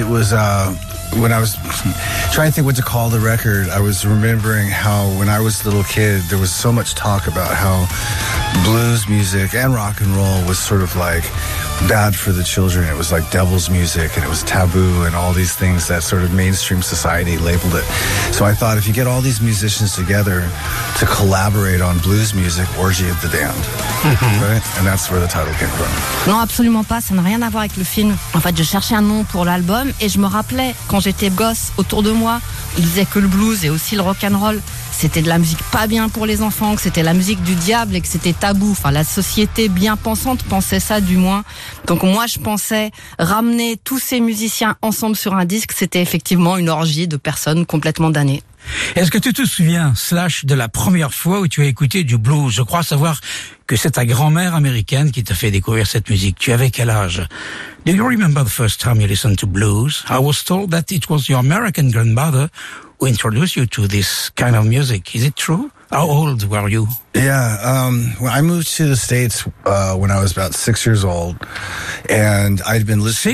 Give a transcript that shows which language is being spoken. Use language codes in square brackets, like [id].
[en] When I was trying to think what to call the record, I was remembering how when I was a little kid, there was so much talk about how blues music and rock and roll was sort of like bad for the children. It was like devil's music and it was taboo and all these things that sort of mainstream society labeled it. So I thought if you get all these musicians together to collaborate on blues music, Orgy of the Damned. Mm-hmm. Right? And that's where the title came from. [fr] Non, absolument pas. Ça n'a rien à voir avec le film. En fait, je cherchais un nom pour l'album et je me rappelais quand j'étais gosse autour de moi, ils disaient que le blues et aussi le rock and roll, c'était de la musique pas bien pour les enfants, que c'était la musique du diable et que c'était tabou. Enfin, la société bien pensante pensait ça, du moins. Donc moi, je pensais ramener tous ces musiciens ensemble sur un disque, c'était effectivement une orgie de personnes complètement damnées. Est-ce que tu te souviens, Slash, de la première fois où tu as écouté du blues? Je crois savoir que c'est ta grand-mère américaine qui t'a fait découvrir cette musique. Tu avais quel âge? [en] Do you remember the first time you listened to blues? I was told that it was your American grandmother who introduced you to this kind of music. Is it true? How old were you? Yeah, well, I moved to the States when I was about 6 years old, and I'd been listening.